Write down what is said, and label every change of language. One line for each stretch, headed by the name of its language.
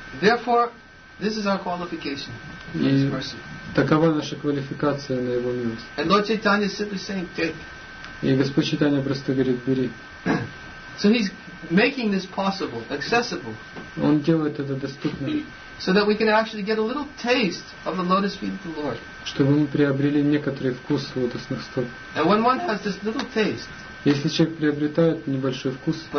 English: Therefore, this is our qualification.
Russian: И такова наша квалификация на Его милость.
English: And Lord Chaitanya is simply saying, take.
Russian: И Господь Чайтанья просто говорит, бери.
English: So He's making this possible, accessible.
Russian: Он делает это доступным.
English: So that we can actually get a little taste of the lotus feet of the Lord.
Russian: Чтобы мы приобрели некоторый вкус лотосных стоп.
English: And when one has this little taste.
Russian: Если человек приобретает небольшой вкус.